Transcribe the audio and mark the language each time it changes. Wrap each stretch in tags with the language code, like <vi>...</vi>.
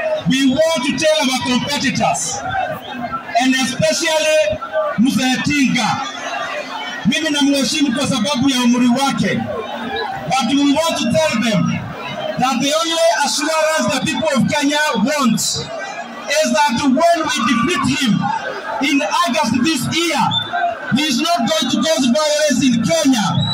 <en>We want to tell our competitors. And especially Mzee Tinga.</en> <sw>Mimi namheshimu kwa sababu ya umri wake.</sw> <en>But we want to tell them that the only assurance the people of Kenya want is that when we defeat him in August this year, he is not going to cause violence in Kenya.</en>